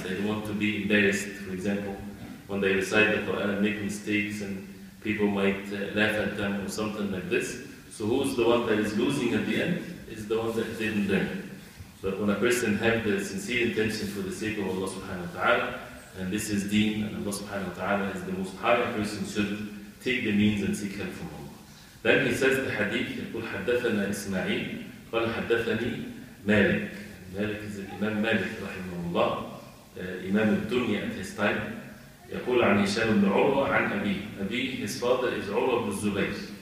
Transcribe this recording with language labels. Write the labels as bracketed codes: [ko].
[en] They don't want to be embarrassed, for example, when they recite the Quran and make mistakes and people might laugh at them or something like this. So who's the one that is losing at the end? It's the one that didn't learn. But when a person has the sincere intention for the sake of Allah subhanahu wa ta'ala, and this is deen, and Allah subhanahu wa ta'ala is the most high, a person should take the means and seek help from Allah. Then he says the hadith, [ar] يقول حدثنا إسماعيل قال حدثني مالك. [en] مالك is Imam Malik [ar] رحمه الله, [en] Imam الدنيا at his time. [ar] يقول عن هشام بن عروة عن أبيه. أبيه, [en] his father is [ar] عروة بن الزبير.